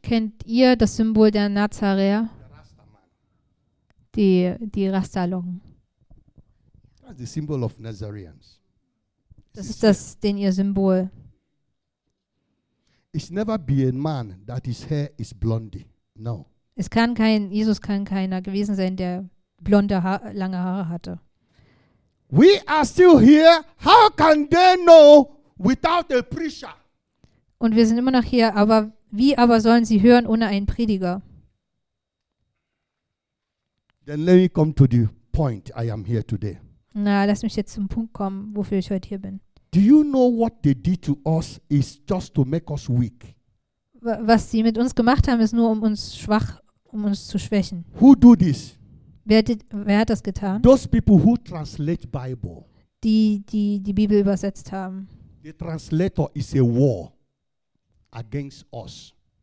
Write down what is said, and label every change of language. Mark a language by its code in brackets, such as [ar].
[de] Kennt ihr das Symbol der Nazaräer? Die Rastalong. [en] That's the symbol of Nazareans. [de] Das ist das, denn ihr Symbol. [en] It's never be a man that his hair is blonde. No. [de] Es kann kein Jesus kann keiner gewesen sein, der blonde lange Haare hatte. [en] We are still here. How can they know without a preacher? [de] Und wir sind immer noch hier, aber wie aber sollen sie hören ohne einen Prediger? [en] Then let me come to the point I am here today. [de] Na, lass mich jetzt zum Punkt kommen, wofür ich heute hier bin. [en] Do you know what they did to us is just to make us weak? [de] Was sie mit uns gemacht haben, ist nur um uns zu schwächen. [en] Who do this? [de] Wer hat das getan? [en] Those people who translate Bible. [de] Die Bibel übersetzt haben. [en] The translator is a war against us.